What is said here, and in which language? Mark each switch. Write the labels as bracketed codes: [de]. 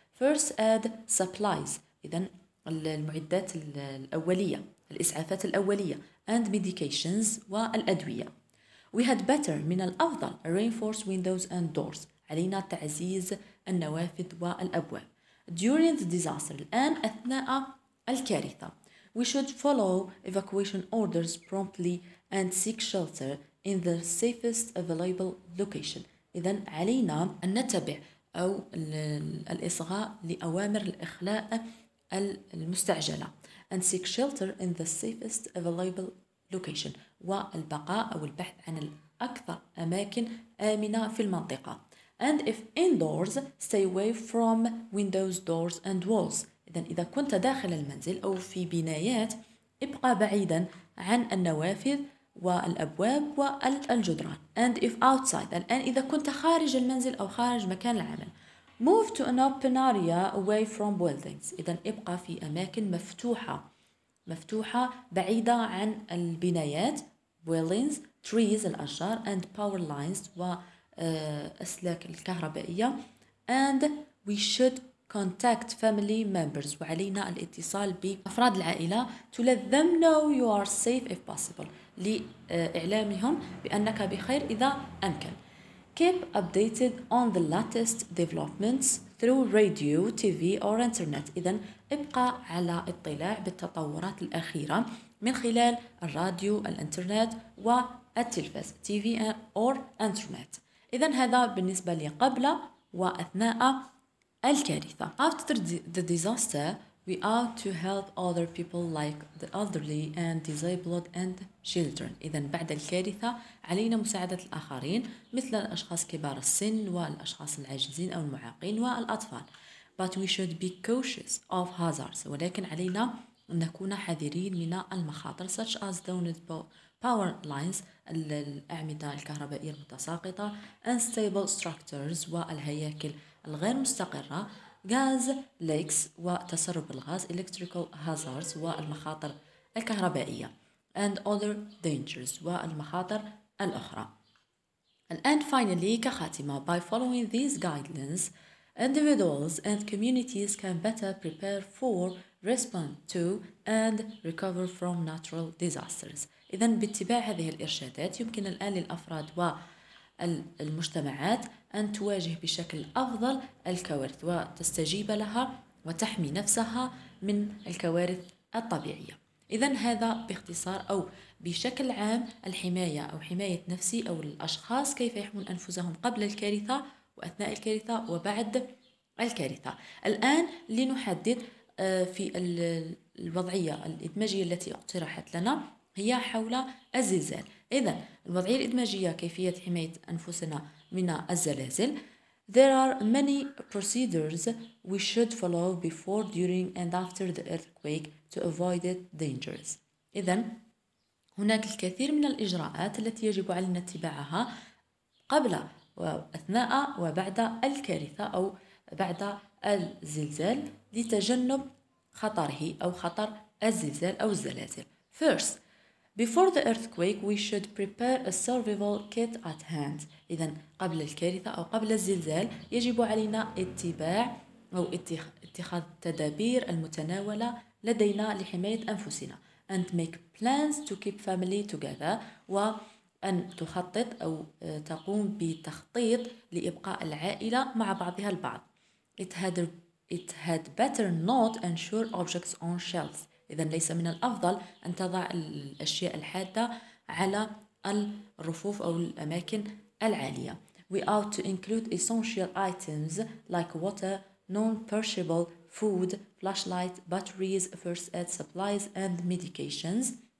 [en] First aid supplies [ar] إذا المعدات الأولية، الإسعافات الأولية. [en] And medications [ar] والأدوية. [en] We had better [ar] من الأفضل [en] reinforce windows and doors. [ar] علينا تعزيز النوافذ والأبواب. [en] During the disaster [ar] الآن أثناء الكارثة. [en] We should follow evacuation orders promptly and seek shelter in the safest available location. [ar] إذا علينا أن نتبع أو الإصغاء لأوامر الإخلاء المستعجلة. [en] And seek shelter in the safest available location. [ar] والبقاء أو البحث عن الأكثر أماكن آمنة في المنطقة. [en] And if indoors, stay away from windows, doors and walls. [ar] إذا كنت داخل المنزل أو في بنايات ابقى بعيدا عن النوافذ والأبواب والجدران. [en] And if outside, [ar] الآن إذا كنت خارج المنزل أو خارج مكان العمل. [en] Move to an open area away from buildings. [ar] إذا ابقى في أماكن مفتوحة بعيدة عن البنايات. [en] Buildings, trees, [ar] الأشجار [en] and power lines [ar] وأسلاك الكهربائية. [en] And we should contact family members. [ar] وعلينا الاتصال بأفراد العائلة. [en] To let them know you are safe if possible. [ar] لإعلامهم بأنك بخير إذا أمكن. [en] Keep updated on the latest developments through radio, TV or internet. [ar] إذا ابقى على اطلاع بالتطورات الأخيرة من خلال الراديو، الانترنت والتلفاز، [en] TV or internet. [ar] إذا هذا بالنسبة لي قبل وأثناء الكارثة. [en] After the disaster, we ought to help other people like the elderly and disabled and children. [ar] إذا بعد الكارثة علينا مساعدة الآخرين مثل الأشخاص كبار السن والأشخاص العاجزين أو المعاقين والأطفال. [en] But we should be cautious of hazards. [ar] ولكن علينا أن نكون حذرين من المخاطر [en] such as downed power lines [ar] الأعمدة الكهربائية المتساقطة, [en] unstable structures [ar] والهياكل الغير مستقرة, [en] gas leaks [ar] وتسرب الغاز, [en] electrical hazards [ar] والمخاطر الكهربائية, [en] and other dangers [ar] والمخاطر الأخرى. [en] And finally, [ar] كخاتمة, [en] by following these guidelines, individuals and communities can better prepare for, respond to, and recover from natural disasters. [ar] إذن باتباع هذه الإرشادات يمكن الآن للأفراد والمجتمعات أن تواجه بشكل أفضل الكوارث وتستجيب لها وتحمي نفسها من الكوارث الطبيعية. إذن هذا باختصار أو بشكل عام الحماية أو حماية نفسي أو الأشخاص كيف يحمون أنفسهم قبل الكارثة وأثناء الكارثة وبعد الكارثة. الآن لنحدد في الوضعية الإدماجية التي اقترحت لنا هي حول الزلزال. إذن الوضعية الإدماجية كيفية حماية أنفسنا من الزلازل. [en] There are many procedures we should follow before, during and after the earthquake to avoid it dangers. [ar] إذن هناك الكثير من الإجراءات التي يجب علينا اتباعها قبل وأثناء وبعد الكارثة أو بعد الزلزال لتجنب خطره أو خطر الزلزال أو الزلازل. [en] First, before the earthquake, we should prepare a survival kit at hand. [ar] إذن قبل الكارثة أو قبل الزلزال يجب علينا اتباع أو اتخاذ التدابير المتناولة لدينا لحماية أنفسنا. [en] And make plans to keep family together. [ar] وأن تخطط أو تقوم بتخطيط لإبقاء العائلة مع بعضها البعض. [en] It had better not ensure objects on shelves. [ar] إذن ليس من الأفضل أن تضع الأشياء الحادة على الرفوف أو الأماكن العالية. [en] We ought to include essential items like water, non-perishable food, flashlight, batteries, first aid supplies and medications.